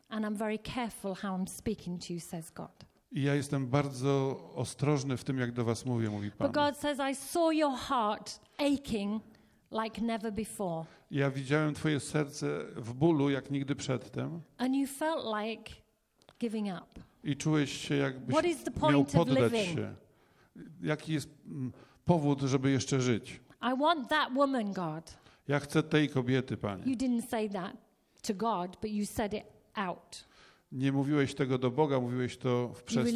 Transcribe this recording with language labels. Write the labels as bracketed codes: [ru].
[en] And I'm very careful how I'm speaking to you, says God. [pl] I ja jestem bardzo ostrożny w tym, jak do was mówię, mówi Pan. [en] But God says, I saw your heart aching like never before. [pl] Ja widziałem twoje serce w bólu, jak nigdy przedtem. [en] And you felt like giving up. [pl] I czułeś się, jakbyś [en] What is the point [pl] miał poddać [en] of [pl] się. Jaki jest powód, żeby jeszcze żyć? [en] I want that woman, God. [pl] Ja chcę tej kobiety, Panie. [en] You didn't say that to God, but you said it out. [pl] Nie mówiłeś tego do Boga, mówiłeś to w przestrzeń.